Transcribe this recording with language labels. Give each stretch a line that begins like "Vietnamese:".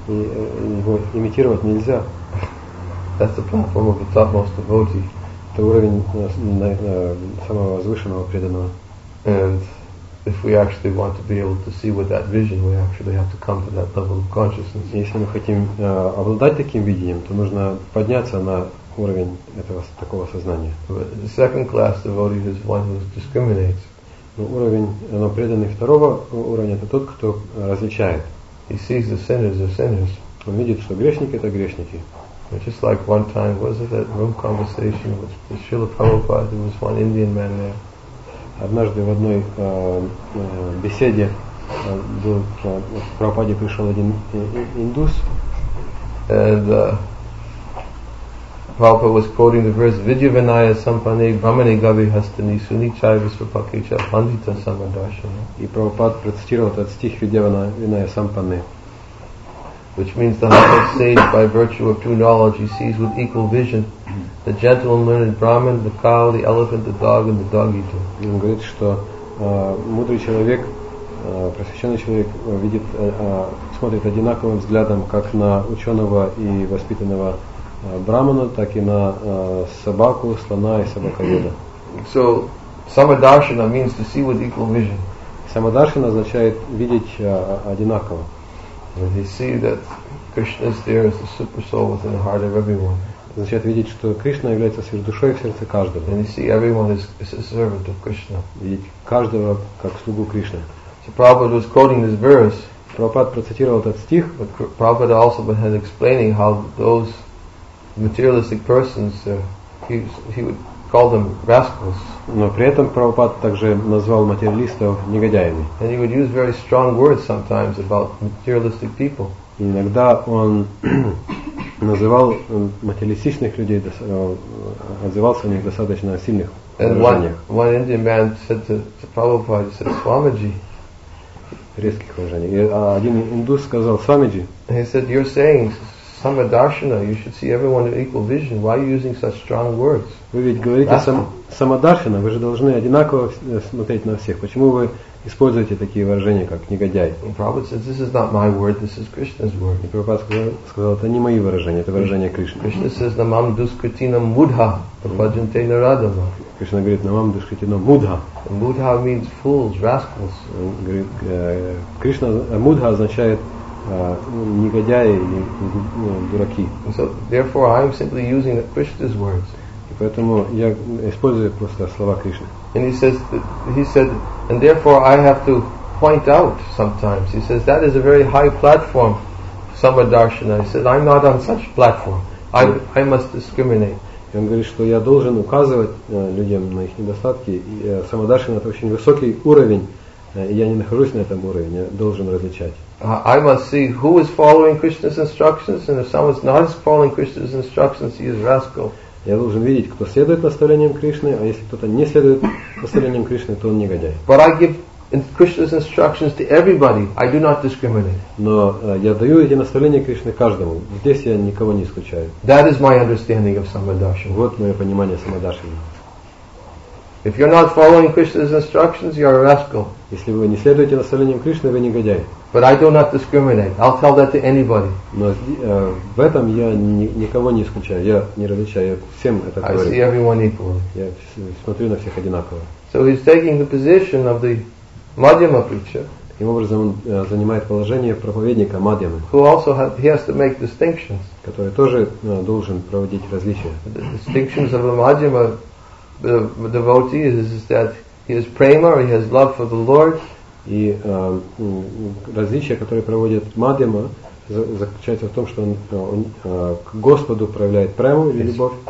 Russian: Его имитировать нельзя.
English: That's the platform of the topmost devotee.
Russian: Это уровень самого возвышенного преданного.
English: And if we actually want to be able to see with that vision, we actually have to come to that level of consciousness.
Russian: Если мы хотим обладать таким видением, то нужно подняться на уровень этого такого сознания.
English: The second class devotee is one who discriminates.
Russian: Но уровень, но преданный второго уровня, это тот, кто различает.
English: He sees the sinners as sinners.
Russian: Он видит, что грешники это грешники.
English: Just like one time, was it that room conversation with the Srila Prabhupada, there was one Indian man there.
Russian: Однажды в одной беседе был в Прабхупаде пришел один индус.
English: And Prabhupada was quoting the verse
Sanskrit: Vidyavinaya Sampane Brahmani Gavi Hastani Suni Chaivasvapakicha Pandita Samadarshana.
Russian: И Прабхупад процитировал этот стих
Sanskrit: Vidyavinaya Sampane.
English: Which means the highest sage, by virtue of true knowledge, he sees with equal vision the gentle and learned Brahman, the cow, the elephant, the dog, and the dog-eater.
Russian: Он говорит, что мудрый человек, просвещенный человек, видит, смотрит одинаковым взглядом как на ученого и воспитанного Брахмана, так и на собаку, слона и собаковеда.
English: So, Samadarshana means to see with equal vision.
Russian: Samadarshana означает видеть одинаково.
English: When they see that Krishna is there as the super soul within the heart of everyone.
Russian: Значит, видеть, что Кришна является сверхдушой в сердце каждого.
English: And they see everyone is a servant of Krishna.
Russian: Видеть каждого как слугу Кришны.
English: So Prabhupada was quoting this verse.
Russian: Прабхупад процитировал этот стих.
English: But Prabhupada also began explaining how those materialistic persons, he would call them rascals.
Russian: Но при этом Прабхупад также назвал материалистов негодяями.
English: And he would use very strong words sometimes about materialistic people.
Russian: Иногда он называл материалистичных людей, отзывался о них достаточно сильных.
English: And one Indian man said to Prabhupada, he said, Swamiji.
Russian: Резких выражений. Один индус сказал, Swamiji.
English: He said, you're saying Samadarshana, you should see everyone with equal vision. Why are you using such strong words?
Russian: Вы ведь говорите Самадаршина, вы же должны одинаково смотреть на всех. Почему вы используете такие выражения, как негодяй?
English: Prabhupada said, this is not my word, this is Krishna's word.
Russian: И Прабхупад сказал, это не мои выражения, это выражение Кришны.
English: Krishna says,
Sanskrit: namam duskritinam mudha, prabhajante naradama.
Russian: Кришна говорит,
Sanskrit: намам дускритинам мудха.
English: Мудха means fools, rascals.
Russian: Кришна, мудха означает негодяи или дураки.
English: So therefore I am simply using Krishna's words.
Russian: И поэтому я использую просто слова Кришны.
English: And he said, and therefore I have to point out sometimes. He says that is a very high platform, Samadarshana. He said, I'm not on such platform. I must discriminate.
Russian: И он говорит, что я должен указывать людям на их недостатки. Самадаршина это очень высокий уровень. Я не нахожусь на этом уровне, я должен различать.
English: I must see who is following Krishna's instructions, and if someone's not following Krishna's instructions, he is rascal.
Russian: Я должен видеть, кто следует наставлениям Кришны, а если кто-то не следует наставлениям Кришны, то он негодяй.
English: But I give Krishna's instructions to everybody. I do not discriminate.
Russian: Но я даю эти наставления Кришны каждому. Здесь я никого не исключаю.
English: That is my understanding of Samadarshana.
Russian: Вот мое понимание Самадаршины.
English: If you're not following Krishna's instructions, you're a rascal.
Russian: Если вы не следуете наставлениям Кришны, вы негодяй.
English: But I do not discriminate. I'll tell that to anybody.
Russian: Но в этом я никого не исключаю. Я не различаю. Я всем это говорю.
English: I see everyone equally.
Russian: Я смотрю на всех одинаково.
English: So he's taking the position of the Madhyama preacher.
Russian: Таким образом, он занимает положение проповедника Мадьямы,
English: who also has to make distinctions.
Russian: Который тоже должен проводить различия.
English: The distinctions of the Madhyama. The devotee is that he is prema, he has love for the Lord,
Russian: И различие, которое проводит Мадхьяма, заключается в том, что он к Господу проявляет прему или любовь.